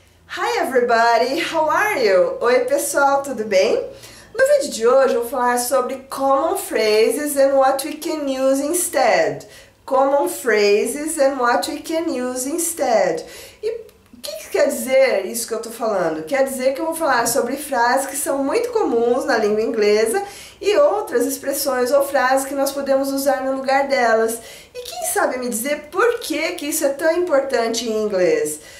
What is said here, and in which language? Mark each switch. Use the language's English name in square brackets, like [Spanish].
[English] Hi everybody, how are you? [Portuguese] Oi pessoal, tudo bem? No vídeo de hoje eu vou falar sobre [English] common phrases and what we can use instead. Common phrases and what we can use instead. [Portuguese] E o que quer dizer isso que eu estou falando? Quer dizer que eu vou falar sobre frases que são muito comuns na língua inglesa e outras expressões ou frases que nós podemos usar no lugar delas. E quem sabe me dizer por que isso é tão importante em inglês?